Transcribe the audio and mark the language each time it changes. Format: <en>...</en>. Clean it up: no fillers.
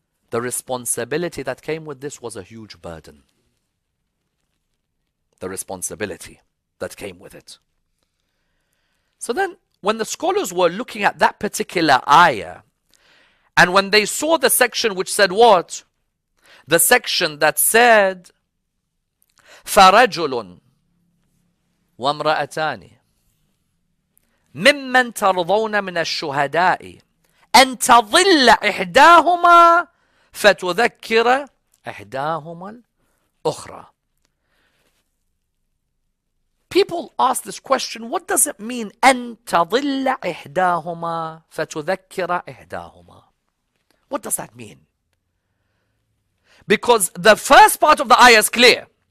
<en>The responsibility that came with this was a huge burden. The responsibility that came with it. So then, when the scholars were looking at that particular ayah, And when they saw the section which said what? The section that said</en> <ar>فَرَجُلٌ وَامْرَأَتَانِ مِمَّنْ تَرْضَوْنَ مِنَ الشُّهَدَاءِ أَنْ تَظِلَّ إِحْدَاهُمَا فَتُذَكِّرَ إِحْدَاهُمَا الْأُخْرَى.</ar> <en>People ask this question, what does it mean?</en> <ar>أَنْ تَظِلَّ إِحْدَاهُمَا فَتُذَكِّرَ إِحْدَاهُمَا.</ar> <en>What does that mean? Because the first part of the ayah is clear.</en>